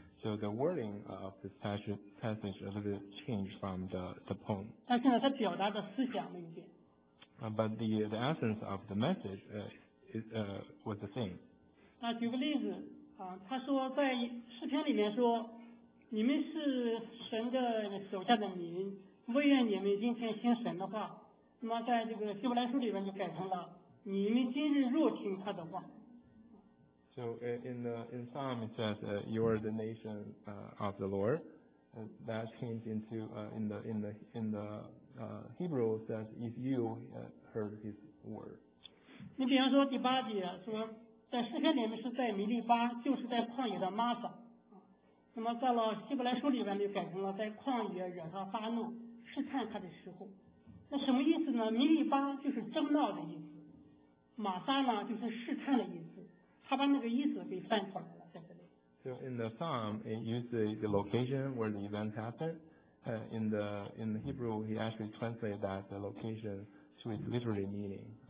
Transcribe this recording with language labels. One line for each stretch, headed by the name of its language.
English: So the wording of this passage a little bit changed from the poem.
Chinese: 但是呢，它表达的思想没有变。
English: But the essence of the message was the same.
Chinese: 那举个例子啊，他说在诗篇里面说，你们是神的手下的民，惟愿你们今天听神的话。那么在这个希伯来书里面就改成了，你们今日若听他的话。
English: So in Psalm it says, "You are the nation of the Lord." That changed into in the Hebrew it says, "If you heard His word."
Chinese: 你比方说第八节说，在诗篇里面是在米利巴，就是在旷野的玛撒。那么到了希伯来书里面就改成了在旷野惹他发怒，试探他的时候。那什么意思呢？米利巴就是争闹的意思，玛撒呢就是试探的意思。
English: So in the Psalm, it uses the location where the event happened. In the Hebrew, he actually translates that the location to its literary meaning.